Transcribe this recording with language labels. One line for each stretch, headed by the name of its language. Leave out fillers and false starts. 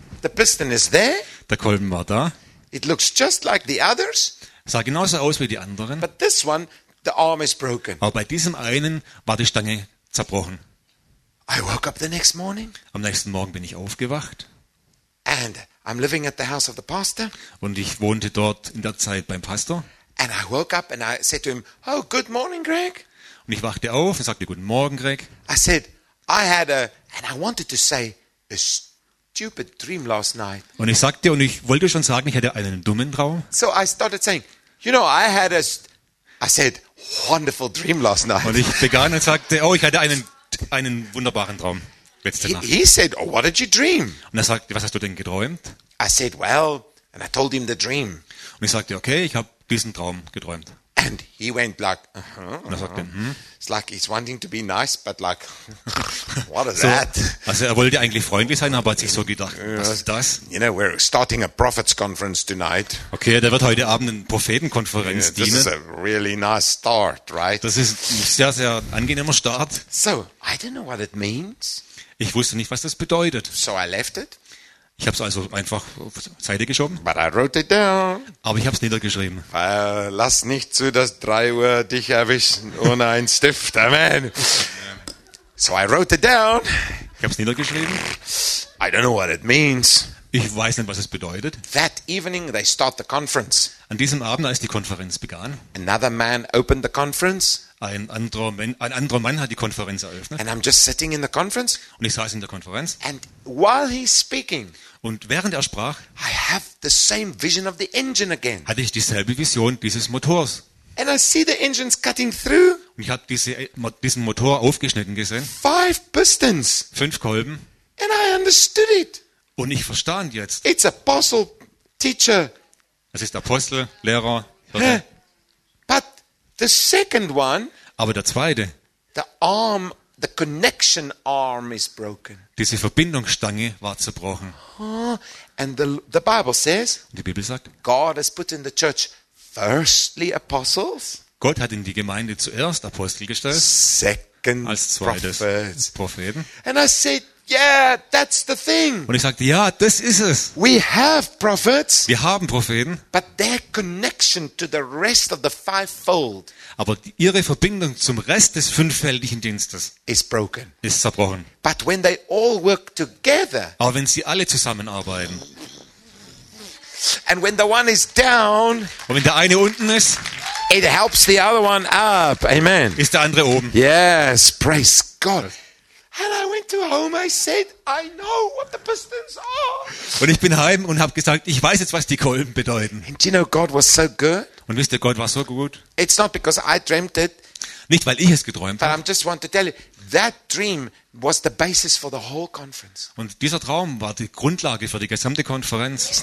English: The piston is there.
German: Der Kolben war da.
English: It looks just like the others.
German: Sah genauso aus wie die anderen.
English: But this one, the arm is broken.
German: Aber bei diesem einen war die Stange zerbrochen.
English: I woke up the next morning.
German: Am nächsten Morgen bin ich aufgewacht.
English: And I'm living at the house of the pastor.
German: Und ich wohnte dort in der Zeit beim Pastor.
English: And I woke up and I said to him, "Oh, good morning, Greg."
German: Und ich wachte auf und sagte guten Morgen, Greg.
English: I said, "I had a and I wanted to say a stupid dream last night."
German: Und ich sagte und ich wollte schon sagen, ich hatte einen dummen Traum.
English: So I started saying, "You know, I had a I said wonderful dream last night."
German: Und ich begann und sagte, "Oh, ich hatte einen wunderbaren Traum letzte Nacht."
English: He said, "Oh, what did you dream?"
German: Und er sagte, "Was hast du denn geträumt?"
English: I said, "Well," and I told him the dream.
German: Und ich sagte, "Okay, ich habe diesen Traum geträumt."
English: And he went like, uh-huh.
German: Und er sagte,
English: It's like he's wanting to be nice, but like, what is that?
German: Also er wollte eigentlich freundlich sein, aber hat sich so gedacht, was ist das?
English: You know, we're starting a prophets conference tonight.
German: Okay, der wird heute Abend eine Prophetenkonferenz dienen.
English: This is a really nice start, right?
German: Das ist ein sehr, sehr angenehmer Start.
English: So, I don't know what it means.
German: Ich wusste nicht, was das bedeutet.
English: So I left it.
German: Ich habe es also einfach auf Seite geschoben.
English: But I wrote it down.
German: Aber ich habe es niedergeschrieben. Lass nicht zu, dass 3 Uhr dich erwischen ohne einen Stift.
English: Amen. So I wrote it down.
German: Ich habe es niedergeschrieben.
English: I don't know what it means.
German: Ich weiß nicht, was es bedeutet.
English: That evening they start the conference.
German: An diesem Abend, als die Konferenz begann.
English: Another man opened the conference.
German: Ein anderer Mann hat die Konferenz eröffnet.
English: And I'm just sitting in the conference.
German: Und ich saß in der Konferenz.
English: And while he's speaking.
German: Und während er sprach.
English: I have the same vision of the engine again.
German: Hatte ich dieselbe Vision dieses Motors.
English: And I see the engines cutting through.
German: Und ich habe diesen Motor aufgeschnitten gesehen.
English: 5 pistons.
German: 5 Kolben.
English: And I understood it.
German: Und ich verstand jetzt.
English: It's apostle, teacher.
German: Es ist Apostel, Lehrer, Hirte.
English: But the second one.
German: Aber der zweite.
English: The arm, the connection arm is broken.
German: Diese Verbindungsstange war zerbrochen.
English: And the Bible says.
German: Und die Bibel sagt.
English: God has put in the church firstly apostles.
German: Gott hat in die Gemeinde zuerst Apostel gestellt.
English: Second
German: als zweites
English: prophets.
German: Propheten.
English: And I said. Yeah, that's the thing.
German: Und ich sagte, ja, das ist es.
English: We have prophets.
German: Wir haben Propheten.
English: But their connection to the rest of the fivefold.
German: Aber ihre Verbindung zum Rest des fünffältigen Dienstes
English: is broken.
German: Ist zerbrochen.
English: But when they all work together.
German: Aber wenn sie alle zusammenarbeiten.
English: And when the one is down.
German: Und wenn der eine unten ist.
English: It helps the other one up. Amen.
German: Ist der andere oben.
English: Yes, praise God. And I went to home. I said, "I know what the pistons are."
German: Und ich bin heim und habe gesagt, ich weiß jetzt, was die Kolben bedeuten.
English: And you know, God was so good.
German: Und wisst ihr, Gott war so gut.
English: It's not because I dreamt it.
German: Nicht weil ich es geträumt habe.
English: But I just want to tell you, that dream was the basis for the whole conference.
German: Und dieser Traum war die Grundlage für die gesamte Konferenz.